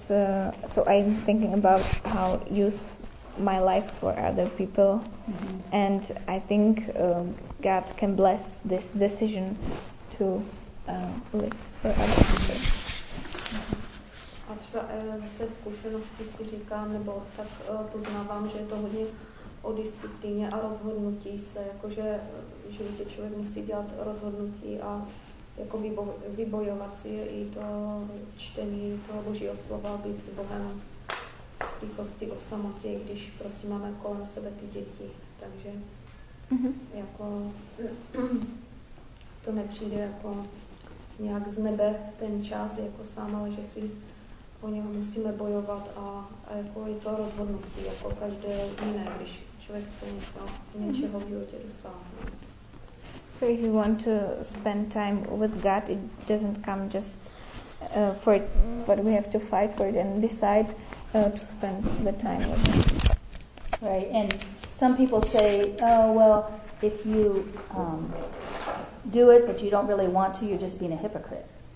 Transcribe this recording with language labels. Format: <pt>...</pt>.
<en>So I'm thinking about how use my life for other people, mm-hmm. and I think God can bless this decision to live for other people.</en> <cs>A třeba ve své zkušenosti si říkám, nebo tak poznávám, že je to hodně o disciplíně a rozhodnutí se, jakože v životě člověk musí dělat rozhodnutí a jako vybojovat si i to čtení toho Božího slova, být s Bohem v tichosti, o samotě, když prostě máme kolem sebe ty děti. Takže mm-hmm. jako to nepřijde jako nějak z nebe ten čas jako sám, ale že si o něho musíme bojovat a jako je to rozhodnutí, jako každé jiné, když člověk chce něčeho v životě dosáhnout.</cs> <en>So if you want to spend time with God, it doesn't come just for it, but we have to fight for it and decide to spend the time with Him. Right, and some people say, oh, well, if you do it, but you don't really want to, you're just being a hypocrite.</en>